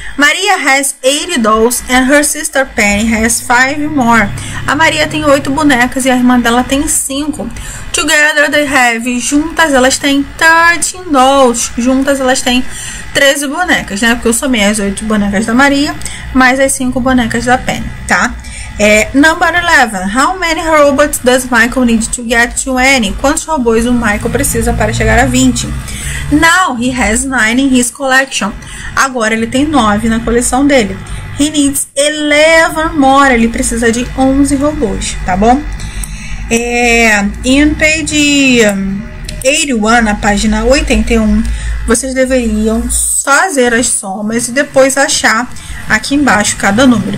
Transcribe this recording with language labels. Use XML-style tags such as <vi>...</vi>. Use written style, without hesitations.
<en>Maria has 80 dolls and her sister Penny has 5 more.</en> <pt>A Maria tem 8 bonecas e a irmã dela tem 5.</pt> <en>Together they have,</en> <pt>juntas elas têm 13</pt> <en>dolls.</en> <pt>Juntas elas têm 13 bonecas, né? Porque eu somei as 8 bonecas da Maria mais as 5 bonecas da Penny, tá?</pt> <en>É, number 11. How many robots does Michael need to get to N?</en> <pt>Quantos robôs o Michael precisa para chegar a 20?</pt> <en>Now he has 9 in his collection.</en> <pt>Agora ele tem 9 na coleção dele.</pt> <en>He needs 11 more.</en> <pt>Ele precisa de 11 robôs, tá bom? É,</pt> <en>in page 81,</en> <pt>na página 81, vocês deveriam fazer as somas e depois achar aqui embaixo cada número.</pt>